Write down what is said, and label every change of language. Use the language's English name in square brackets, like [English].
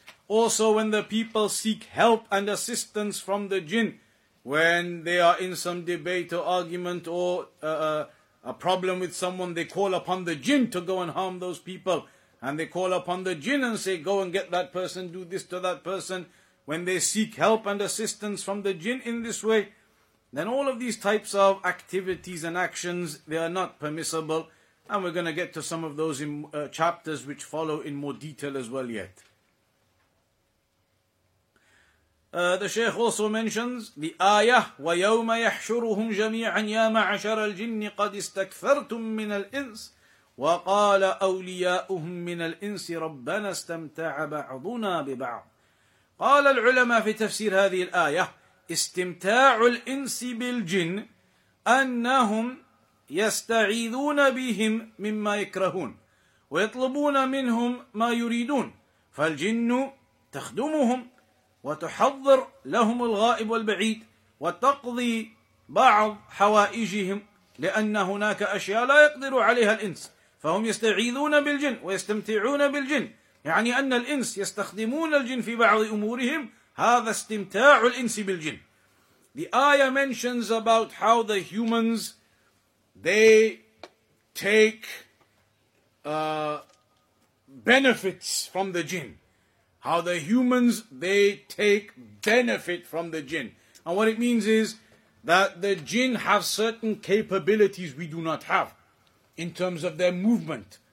[English] Also when the people seek help and assistance from the jinn when they are in some debate or argument or a problem with someone they call upon the jinn to go and harm those people and they call upon the jinn and say go and get that person do this to that person When they seek help and assistance from the jinn in this way, then all of these types of activities and actions, they are not permissible. And we're going to get to some of those in chapters which follow in more detail as well yet. The Shaykh also mentions the ayah, [Arabic] وَيَوْمَ يَحْشُرُهُمْ جَمِيعًا يَا مَعَشَرَ الْجِنِّ قَدِ اسْتَكْثَرْتُمْ مِنَ الْإِنسِ وَقَالَ أَوْلِيَاؤُهُمْ مِنَ الْإِنسِ رَبَّنَا اسْتَمْتَعَ بَعْضُنَا بِبَعْضٍ قال العلماء في تفسير هذه الآية استمتاع الإنس بالجن أنهم يستعيذون بهم مما يكرهون ويطلبون منهم ما يريدون فالجن تخدمهم وتحضر لهم الغائب والبعيد وتقضي بعض حوائجهم لأن هناك أشياء لا يقدر عليها الإنس فهم يستعيذون بالجن ويستمتعون بالجن يعني أن الإنس يستخدمون الجن في بعض أمورهم هذا استمتاع الإنس بالجن. [English] The ayah mentions about how the humans they take benefits from the jinn. How the humans they take benefit from the jinn. And what it means is that the jinn have certain capabilities we do not have in terms of their movement.